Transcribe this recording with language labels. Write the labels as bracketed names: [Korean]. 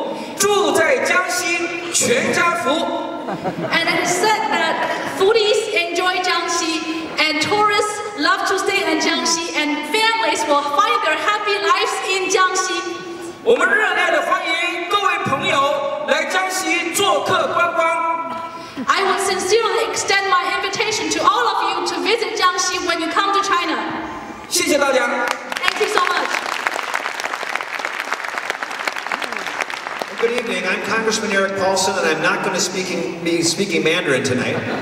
[Chinese] 我们常说吃在江西有口福，游在江西饱眼福，住在江西全家福。 [English] And it is said that foodies enjoy Jiangxi, and tourists love to stay in Jiangxi, and families will find their happy lives in Jiangxi. [Chinese] 我们热烈地欢迎各位朋友来江西做客观光。 [English] I would sincerely extend my invitation to all of you to visit Jiangxi when you come to China. [Chinese] 谢谢大家。 [English] Thank you so much. Good evening. I'm Congressman Eric Paulson, and I'm not going to be speaking Mandarin tonight.